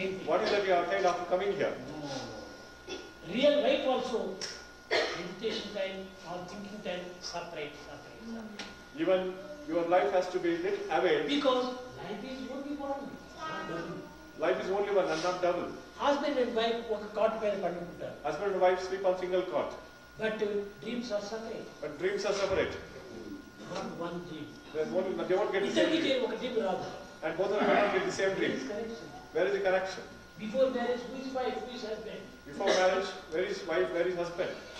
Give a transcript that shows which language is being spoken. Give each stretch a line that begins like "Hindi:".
English: What is that you attained after coming here? Real life also, meditation time or thinking time, separate. Even your life has to be lit away. Because life is only one. Life is only one and not double. Husband and wife
Telugu: ఒక cot పైన పడుకుంటారు.
English: Husband and wife sleep on single cot. But dreams are separate. But dreams are separate. Not one dream. They won't get the same dream. And both of them may not get the same dream. Where is the connection? Before marriage, who is wife, who is husband? Before marriage, where is wife, where is husband?